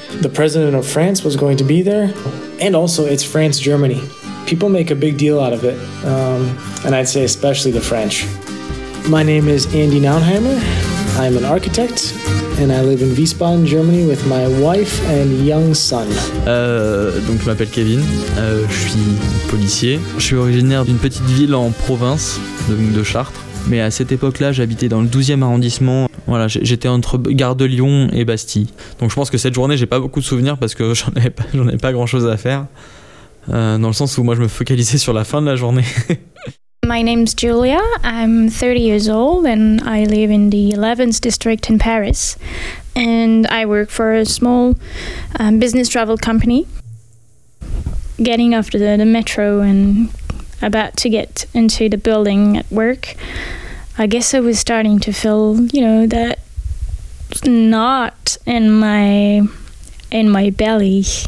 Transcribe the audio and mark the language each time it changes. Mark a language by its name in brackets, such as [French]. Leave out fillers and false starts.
[English] The president of France was going to be there, and also it's France-Germany. People make a big deal out of it, and I'd say especially the French. My name is Andy Naunheimer. I'm an architect, and I live in Wiesbaden, Germany, with my wife and young son. [French] Donc je m'appelle Kevin, je suis policier. Je suis originaire d'une petite ville en province, de Chartres. Mais à cette époque-là, j'habitais dans le 12e arrondissement. Voilà, j'étais entre Gare de Lyon et Bastille. Donc je pense que cette journée, j'ai pas beaucoup de souvenirs parce que j'en avais pas grand-chose à faire. Dans le sens où moi, je me focalisais sur la fin de la journée. [English] My name's Julia. I'm 30 years old and I live in the 11th district in Paris. And I work for a small business travel company. Getting off the metro and about to get into the building at work, I guess I was starting to feel, you know, that knot in my belly.